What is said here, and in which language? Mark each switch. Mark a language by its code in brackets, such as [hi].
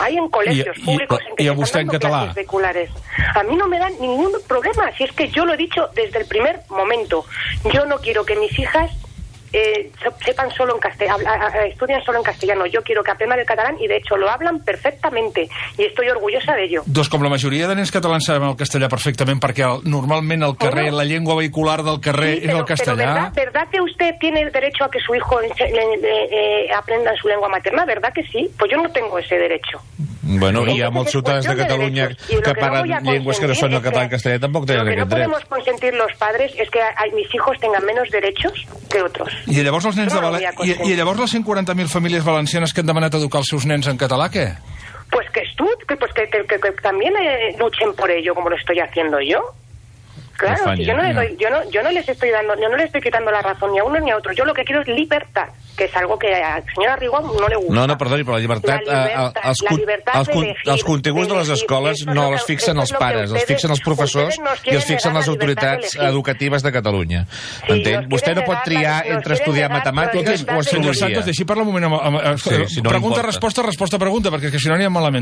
[es] Hay en colegios públicos en que se están dando clases. A mí no me dan ningún problema, si es que yo lo he dicho desde el primer momento. Yo no quiero que mis hijas sepan solo en castellano, estudien solo en castellano. Yo quiero que aprendan el catalán, y de hecho lo hablan perfectamente, y estoy orgullosa de ello. [ca] Doncs com la majoria de nens catalans saben el castellà perfectament, perquè normalment el carrer, la llengua vehicular del carrer, sí, és el castellà. [es] Pero ¿verdad que usted tiene el derecho a que su hijo aprenda su lengua materna? ¿Verdad que sí? Pues yo no tengo ese derecho. [ca] Bueno, hi ha molts ciutadans de Catalunya que parlen llengües que no són el català i el castellà, tampoc tenen aquest dret. [es] Lo que no podemos consentir los padres es que mis hijos tengan menos derechos que otros. [ca] I llavors els nens de València... I llavors les 140.000 famílies valencianes que han demanat educar els seus nens en català, què? [es] Pues que también luchen por ello, como lo estoy haciendo yo. Claro, yo no les estoy quitando la razón ni a uno ni a otro. Yo lo que quiero es libertad, que es algo que a la señora Rigón no le gusta. [ca] No, perdoni, però la llibertat... Els continguts de les escoles no els fixen els pares, els fixen els professors i els fixen les autoritats educatives de Catalunya. Entén? Vostè no pot triar entre estudiar matemàtiques o psicologia. Deixi parlar un moment. Pregunta, resposta, perquè si no anirà malament.